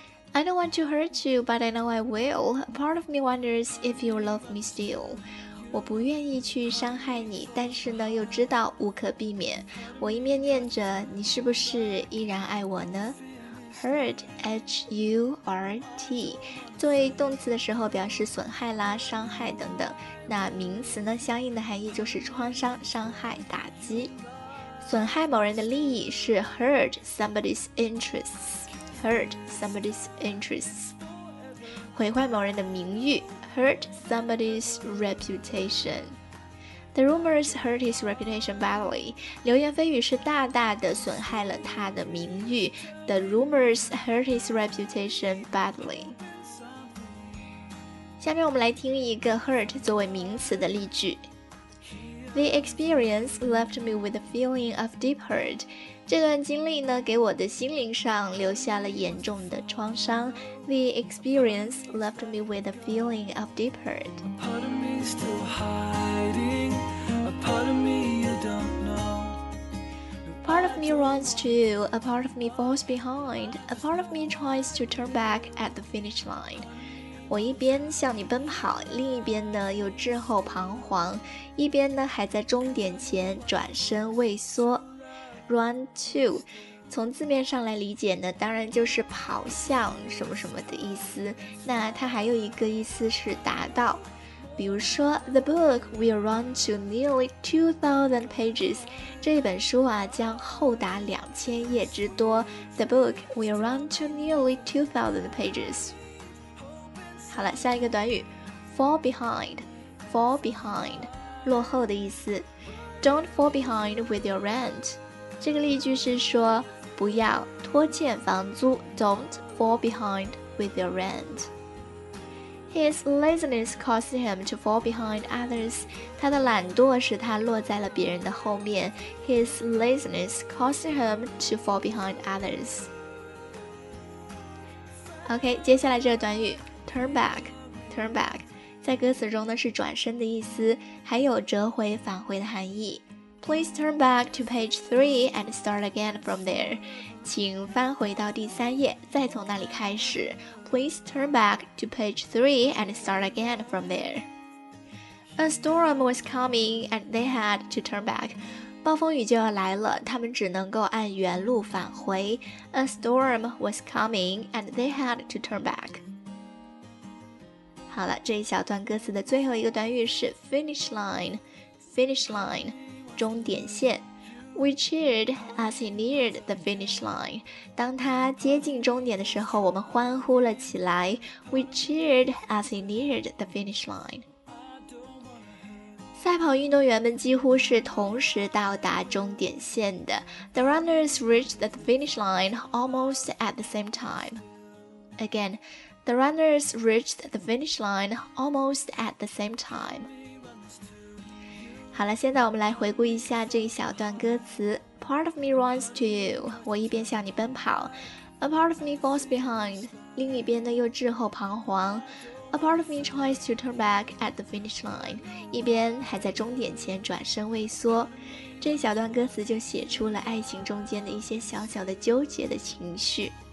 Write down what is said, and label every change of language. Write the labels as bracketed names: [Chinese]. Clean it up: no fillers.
[English] I don't want to hurt you, but I know I will. Part of me wonders if you love me still. [Chinese] 我不愿意去伤害你，但是呢，又知道无可避免。我一面念着，你是不是依然爱我呢？ Hurt, H-U-R-T， 作为动词的时候表示损害啦、伤害等等。那名词呢，相应的含义就是创伤、伤害、打击。损害某人的利益是 [English] hurt somebody's interests。 Hurt somebody's interests， [Chinese] 毁坏某人的名誉 [English] ，hurt somebody's reputation。 The rumors hurt his reputation badly. [Chinese] 流言蜚语是大大的损害了他的名誉。 [English] The rumors hurt his reputation badly. [Chinese] 下面我们来听一个 hurt 作为名词的例句。 [English] The experience left me with a feeling of deep hurt. [Chinese] 这段经历呢，给我的心灵上留下了严重的创伤。 [English] The experience left me with a feeling of deep hurt. A part of me is still hiding, a part of me you don't know. Part of me runs to you, a part of me falls behind, a part of me tries to turn back at the finish line. [Chinese] 我一边向你奔跑，另一边呢又滞后彷徨，一边呢还在终点前转身畏缩。 Run to 从字面上来理解呢，当然就是跑向什么什么的意思，那它还有一个意思是达到，比如说 [English] The book will run to nearly 2,000 pages. [Chinese] 这本书啊将厚达2000页之多。 [English] The book will run to nearly 2,000 pages. [Chinese] 好了，下一个短语 fall behind 落后的意思。 [English] Don't fall behind with your rent. [Chinese] 这个例句是说不要拖欠房租。 [English] Don't fall behind with your rent. His laziness caused him to fall behind others. [Chinese] 他的懒惰使他落在了别人的后面。 [English] His laziness caused him to fall behind others. [Chinese] OK, 接下来这个短语Turn back 在歌词中呢是转身的意思，还有折回返回的含义。 [English] Please turn back to page 3 and start again from there. [Chinese] 请翻回到第三页，再从那里开始。 [English] Please turn back to page 3 and start again from there. A storm was coming and they had to turn back. [Chinese] 暴风雨就要来了，他们只能够按原路返回。 [English] A storm was coming and they had to turn back. [Chinese] 好了，这一小段歌词的最后一个短语是 finish line, 终点线。 [English] We cheered as he neared the finish line. [Chinese] 当他接近终点的时候，我们欢呼了起来。 [English] We cheered as he neared the finish line. [Chinese] 赛跑运动员们几乎是同时到达终点线的。 [English] The runners reached the finish line almost at the same time. AgainThe runners reached the finish line almost at the same time. [Chinese] 好了，现在我们来回顾一下这一小段歌词。 [English] Part of me runs to you, [Chinese] 我一边向你奔跑。 [English] A part of me falls behind, [Chinese] 另一边呢又滞后彷徨。 [English] A part of me tries to turn back at the finish line, [Chinese] 一边还在终点前转身畏缩。这一小段歌词就写出了爱情中间的一些小小的纠结的情绪。